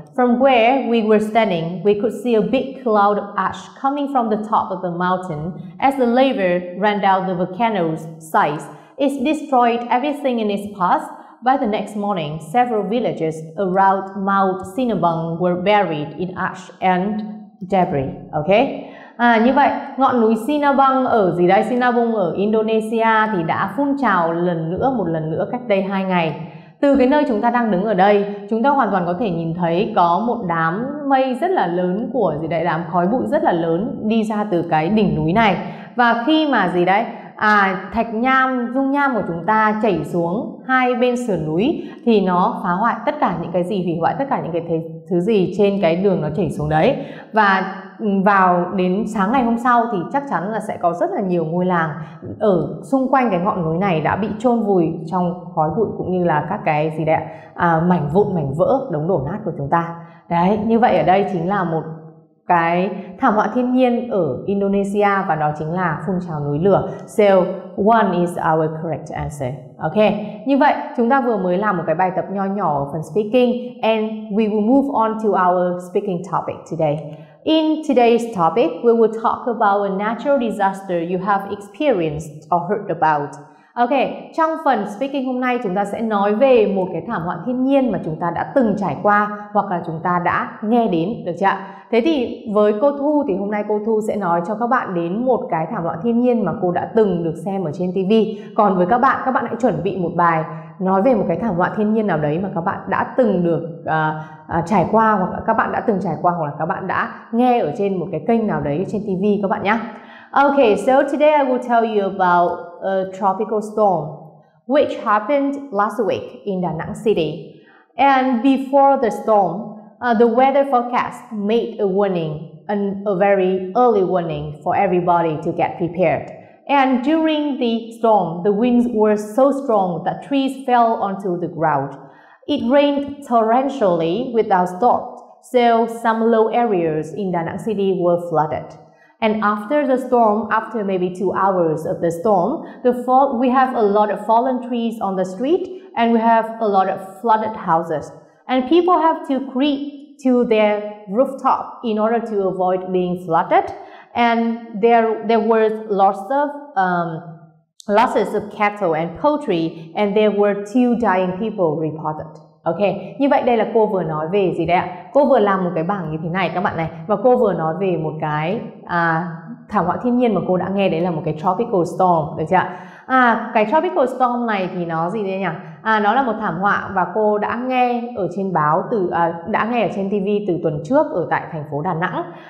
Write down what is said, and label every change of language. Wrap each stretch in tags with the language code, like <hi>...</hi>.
<en>From where we were standing, we could see a big cloud of ash coming from the top of the mountain as the lava ran down the volcano's sides. It destroyed everything in its path. By the next morning, several villages around Mount Sinabung were buried in ash and debris. Okay?</en> <vi>À, như vậy, ngọn núi Sinabung ở gì đây? Sinabung ở Indonesia thì đã phun trào lần nữa, một lần nữa cách đây 2 ngày. Từ cái nơi chúng ta đang đứng ở đây, chúng ta hoàn toàn có thể nhìn thấy có một đám mây rất là lớn của gì đấy, đám khói bụi rất là lớn đi ra từ cái đỉnh núi này. Và khi mà gì đấy, thạch nham, dung nham của chúng ta chảy xuống hai bên sườn núi thì nó phá hoại tất cả những cái gì, hủy hoại tất cả những cái thứ gì trên cái đường nó chảy xuống đấy. Và vào đến sáng ngày hôm sau thì chắc chắn là sẽ có rất là nhiều ngôi làng ở xung quanh cái ngọn núi này đã bị chôn vùi trong khói bụi cũng như là các cái gì đấy, mảnh vụn, mảnh vỡ, đống đổ nát của chúng ta. Đấy, như vậy ở đây chính là một cái thảm họa thiên nhiên ở Indonesia, và đó chính là phun trào núi lửa.</vi> <en>So one is our correct answer. Okay,</en> <vi>như vậy chúng ta vừa mới làm một cái bài tập nho nhỏ ở phần speaking,</vi> <en>and we will move on to our speaking topic today. In today's topic, we will talk about a natural disaster you have experienced or heard about.</en> <vi>Ok, trong phần speaking hôm nay chúng ta sẽ nói về một cái thảm họa thiên nhiên mà chúng ta đã từng trải qua hoặc là chúng ta đã nghe đến, được chưa ạ? Thế thì với cô Thu thì hôm nay cô Thu sẽ nói cho các bạn đến một cái thảm họa thiên nhiên mà cô đã từng được xem ở trên TV. Còn với các bạn hãy chuẩn bị một bài nói về một cái thảm họa thiên nhiên nào đấy mà các bạn đã từng được trải qua, hoặc là các bạn đã từng trải qua, hoặc là các bạn đã nghe ở trên một cái kênh nào đấy trên TV các bạn nhé.</vi> <en>Okay, so today I will tell you about a tropical storm which happened last week in Da Nang City. And before the storm, the weather forecast made a warning, a very early warning for everybody to get prepared. And during the storm, the winds were so strong that trees fell onto the ground. It rained torrentially without stop, so some low areas in Da Nang City were flooded. And after the storm, after maybe 2 hours of the storm, we have a lot of fallen trees on the street, and we have a lot of flooded houses. And people have to creep to their rooftop in order to avoid being flooded. And there were losses of cattle and poultry, and there were 2 dying people reported.</en> <vi>Ok, như vậy đây là cô vừa nói về gì đấy ạ? Cô vừa làm một cái bảng như thế này các bạn này, và cô vừa nói về một cái thảm họa thiên nhiên mà cô đã nghe, đấy là một cái tropical storm, được chưa ạ? Cái tropical storm này thì nó gì đấy nhỉ? Nó là một thảm họa, và cô đã nghe ở trên báo đã nghe ở trên TV từ tuần trước ở tại thành phố Đà Nẵng.</vi>